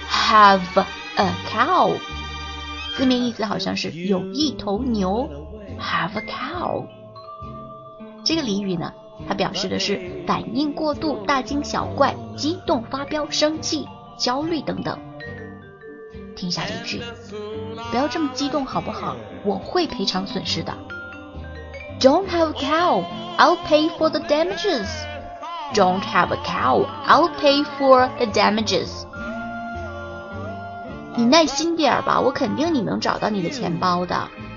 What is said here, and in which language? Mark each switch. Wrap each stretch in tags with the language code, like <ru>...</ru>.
<en>have a cow.</en> <zh>字面意思好像是有一头牛</zh> <en>,have a cow.</en> <zh>这个俚语呢，它表示的是反应过度，大惊小怪，激动发飙，生气，焦虑等等。听一下这句，不要这么激动好不好，我会赔偿损失的。</zh> <en>Don't have a cow, I'll pay for the damages. Don't have a cow, I'll pay for the damages.</en> <zh>你耐心点吧，我肯定你能找到你的钱包的。</zh>